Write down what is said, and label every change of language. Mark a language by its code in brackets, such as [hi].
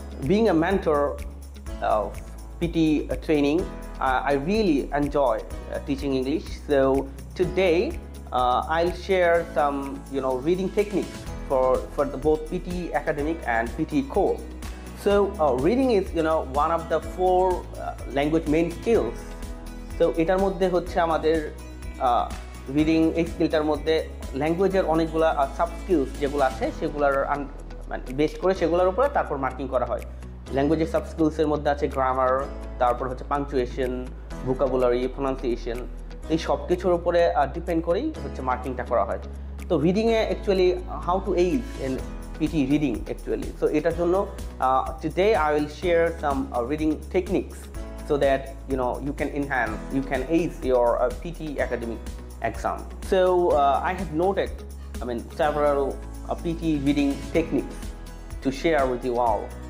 [en] Being a mentor of PT training, I really enjoy teaching English. So today I'll share some reading techniques for the both PT Academic and PT Core. So reading is one of the four language main skills. [bn] তো এটার মধ্যে হচ্ছে আমাদের reading এই স্কিলটার মধ্যে ল্যাঙ্গুয়েজের অনেকগুলো sub skills যেগুলো আছে সেগুলোর মানে বেস করে সেগুলোর উপরে তারপর মার্কিং করা হয়। ল্যাঙ্গুয়েজের সাব স্কিলসের মধ্যে আছে গ্রামার, তারপর হচ্ছে পাংচুয়েশন, ভোকাবুলারি, প্রোনাউন্সিয়েশন, এই সব কিছুর উপরে ডিপেন্ড করেই হচ্ছে মার্কিংটা করা হয়। [en] তো রিডিংয়ে actually how to ace in PT reading actually, so [bn] এটার জন্য [en] Today I will share some reading techniques so that you can enhance, you can ace your PT academic exam. So I have noted several PT reading techniques to share with you all.